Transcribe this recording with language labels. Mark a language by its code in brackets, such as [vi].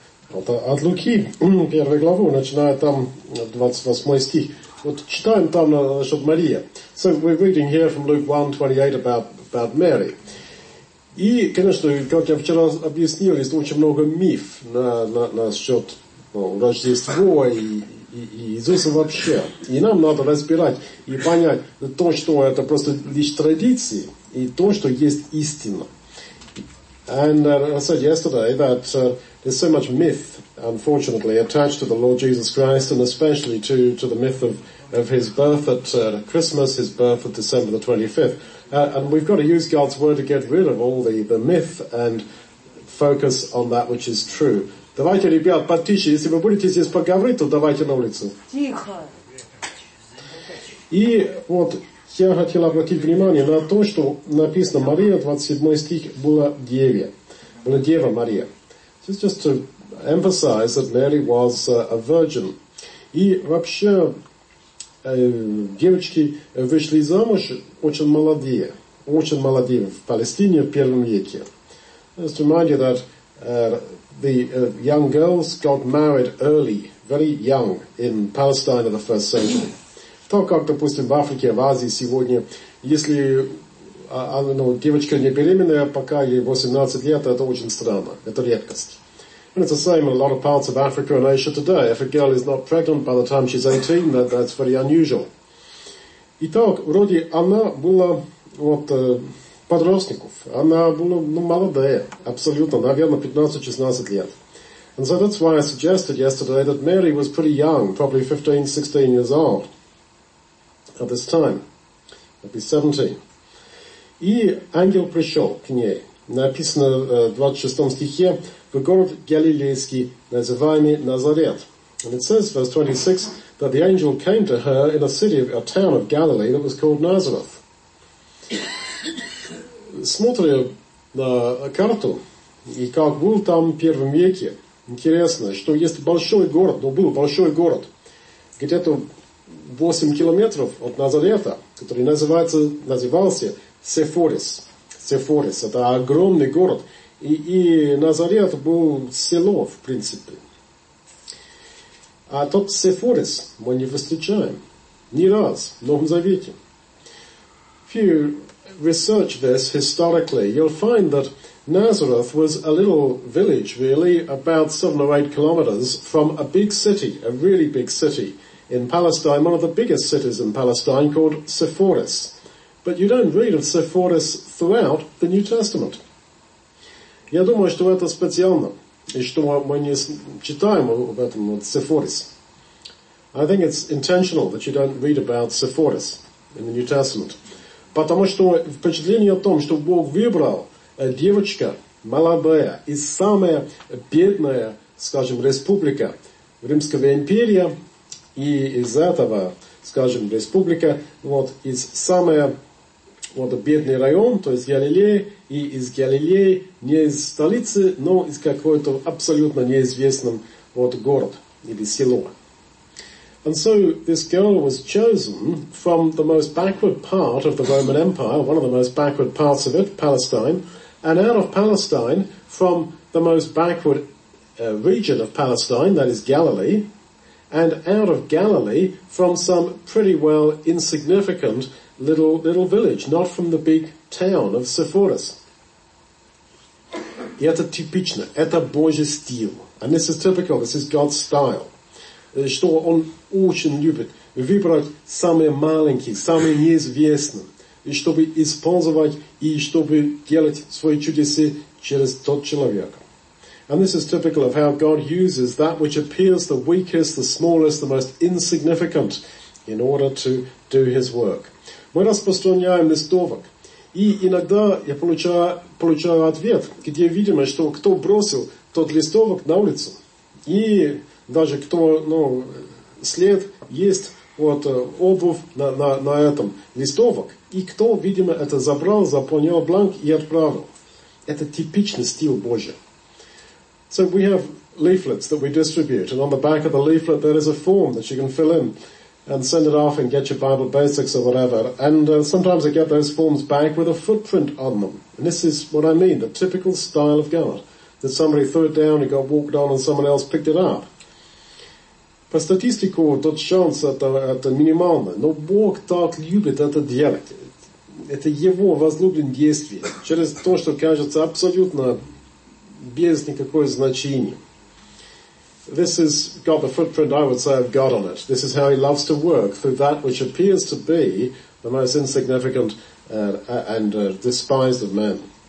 [ru] Вот от Луки, первой главы, начиная там 28 стих. Вот читаем там насчет Марии. [en] So we're reading here from Luke 1:28 about Mary. [ru] И, конечно, как я вчера объяснил, есть очень много миф насчет Рождества и Иисуса вообще. И нам надо разбирать и понять то, что это просто лишь традиции, и то, что есть истина. [en] And I said yesterday that there's so much myth, unfortunately, attached to the Lord Jesus Christ, and especially to the myth of his birth at Christmas, his birth at December the 25th. And we've got to use God's word to get rid of all the myth and focus on that which is true. [ru] Давайте, ребят, потише, если вы будете здесь поговорить, то давайте на улицу. Тихо. И вот я хотел обратить внимание на то, что написано Мария, 27 стих, была Деве. Была Дева Мария. [en] Just to emphasize that Mary was a virgin. [ru] И вообще, девочки вышли замуж очень молодые в Палестине в первом веке. [en] Just to remind you that the young girls got married early, very young, in Palestine of the first century. [ru] То, как, допустим, в Африке, в Азии сегодня, если девочка не беременная, пока ей 18 лет, это очень странно, это редкость. [en] And it's the same in a lot of parts of Africa and Asia today. If a girl is not pregnant by the time she's 18, that's very unusual. [ru] Итак, вроде она была вот подростников. Она была молодая, абсолютно, наверное, 15-16 лет. [en] And so that's why I suggested yesterday that Mary was pretty young, probably 15-16 years old at this time. That'd be 17. [ru] И ангел пришел к ней. Написано в 26 стихе. В город Галилейский, называемый Назарет. [en] And it says, verse 26, that the angel came to her in a town of Galilee that was called Nazareth. [ru] Смотрю на карту, и как был там в первом веке. Интересно, что есть большой город, но был большой город, где-то 8 километров от Назарета, который назывался Сефорис. Сефорис — это огромный город. И Назарет был село, в принципе. А тот Сефорис мы не встречаем ни раз в Новом Завете. [en] If you research this historically, you'll find that Nazareth was a little village, really, about 7 or 8 kilometers from a big city, a really big city in Palestine, one of the biggest cities in Palestine, called Sepphoris. But you don't read of Sepphoris throughout the New Testament. [ru] Я думаю, что это специально, и что мы не читаем об этом Сефорис. [en] I think it's intentional that you don't read about Sepphoris in the New Testament. [ru] Потому что впечатление о том, что Бог выбрал девочка молодая из самая бедная, скажем, республика Римского империя, и из этого, скажем, республика, вот, из самая вот бедный район, то есть Галилея, и из Галилеи, не из столицы, но из какого-то абсолютно неизвестного вот город или село. [en] And so this girl was chosen from the most backward part of the Roman Empire, one of the most backward parts of it, Palestine, and out of Palestine, from the most backward region of Palestine, that is Galilee, and out of Galilee, from some pretty well insignificant little village, not from the big town of Sepphoris. [ru] И это типично, это Божий стиль. [en] And this is typical, this is God's style. [ru] Что он очень любит выбрать самые маленькие, самые неизвестные, и чтобы использовать, и чтобы делать свои чудеса через тот человек. [en] And this is typical of how God uses that which appears the weakest, the smallest, the most insignificant in order to do his work. [ru] Мы распространяем листовок. И иногда я получаю ответ, где видимо, что кто бросил тот листовок на улицу. И даже кто, след есть, вот обувь на этом листовок. И кто, видимо, это забрал, заполнил бланк и отправил. Это типичный стиль Божий. [en] So we have leaflets that we distribute. And on the back of the leaflet there is a form that you can fill in and send it off and get your Bible basics or whatever. And sometimes I get those forms back with a footprint on them. And this is what I mean, the typical style of God. that somebody threw it down, it got walked on, and someone else picked it up. [ru] По статистику, тот шанс, это минимально. Но Бог так любит это делать. Это его возлюбленное действие. Через то, что кажется абсолютно без никакого значения. [en] This has got the footprint, I would say, of God on it. This is how he loves to work, through that which appears to be the most insignificant and despised of men.